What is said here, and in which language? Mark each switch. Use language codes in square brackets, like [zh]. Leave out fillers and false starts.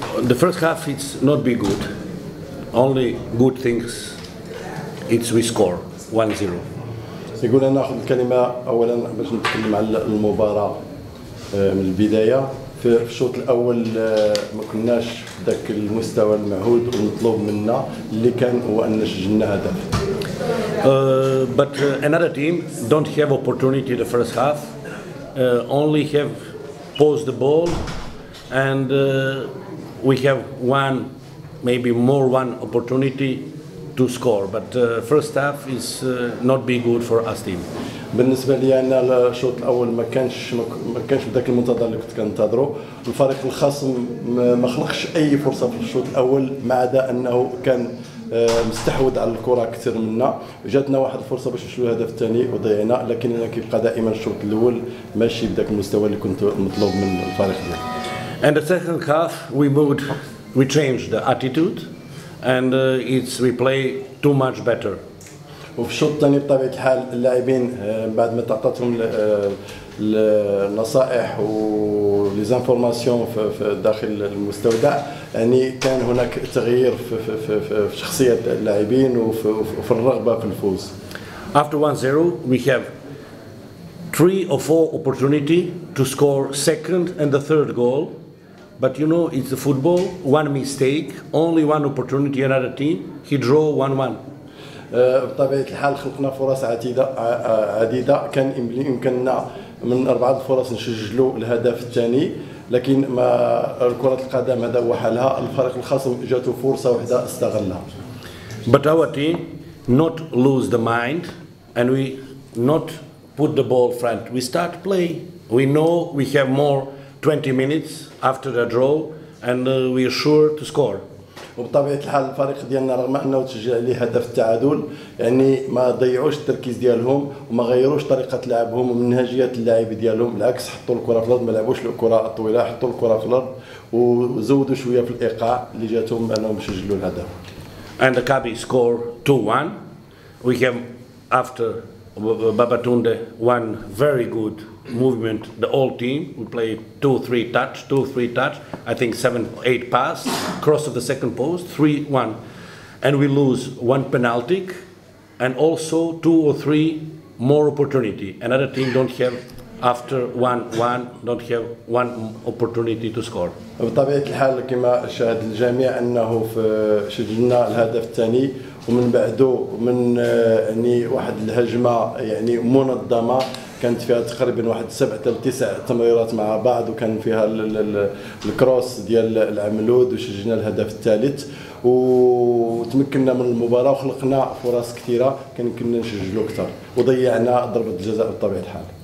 [en] The first half it's not be good. Only good things it's we score 1-0. [ar] يقول أنا أخذ الكلمة أولا باش نتكلم على المباراة من البداية. في الشوط الأول ما كناش ذاك المستوى المعهود والمطلوب منا اللي كان هو أن نسجلنا هدف. [en] But another team don't have opportunity the first half, only have posed the ball and we have one, maybe more one opportunity to score, but first half is not be good for us team. [ar] بالنسبة لي أنا الشوط الأول ما كانش بداك المنتظر اللي كنت كنتظرو. الفريق الخصم ما خلقش أي فرصة في الشوط الأول ما عدا أنه كان مستحوذ على الكرة كثير منا. جاتنا واحد الفرصة باش نشلو الهدف الثاني وضيعنا، لكن أنا كيبقى دائما الشوط الأول ماشي بداك المستوى اللي كنت مطلوب من الفريق ديالي. [en] And the second half we moved, we changed the attitude. And it's we play too much better. [ar] وفي الشوط الثاني بطبيعة الحال اللاعبين بعد ما تعطتهم النصائح وليزانفورماسيون في داخل المستودع، يعني كان هناك تغيير في شخصية اللاعبين وفي الرغبة في الفوز. [en] After 1-0 we have three or four opportunity to score second and the third goal. But you know, it's the football, one mistake, only one opportunity, another team, he draw 1-1. [ar] بطبيعة الحال خلقنا فرص عديدة، كان يمكننا من أربعة الفرص نسجلوا الهدف الثاني، لكن ما كرة القدم هذا هو حالها، الفريق الخصم جاته فرصة واحدة استغلها. [en] But our team not lose the mind and we not put the ball front. We start play. We know we have more 20 minutes after the draw and we are sure to score. [ar] وبطبيعه الحال الفريق ديالنا رغم انه تسجل عليه هدف التعادل، يعني ما ضيعوش التركيز ديالهم وما غيروش طريقه لعبهم ومنهجيه اللعب ديالهم، بالعكس حطوا الكره في الارض، ما لعبوش الكره الطويله، حطوا الكره في الارض وزودوا شويه في الايقاع اللي جاتهم انهم سجلوا الهدف. [en] And the Kabi score 2-1. We came after Babatunde one very good movement, the old team would play 2-3 touch, 2-3 touch, I think 7-8 pass, cross of the second post, 3-1. And we lose one penalty and also 2 or 3 more opportunity. Another team don't have after 1-1, don't have one opportunity to score. [ar] بطبيعة الحال كما شاهد الجميع أنه في سجلنا الهدف الثاني ومن بعده من يعني واحد الهجمة يعني منظمة كانت فيها تقريبا واحد 7 أو 9 تمريرات مع بعض وكان فيها الكروس ديال العملود وسجلنا الهدف الثالث وتمكنا من المباراة وخلقنا فرص كثيرة كان كنا نسجلوا أكثر وضيعنا ضربة الجزاء بطبيعة الحال.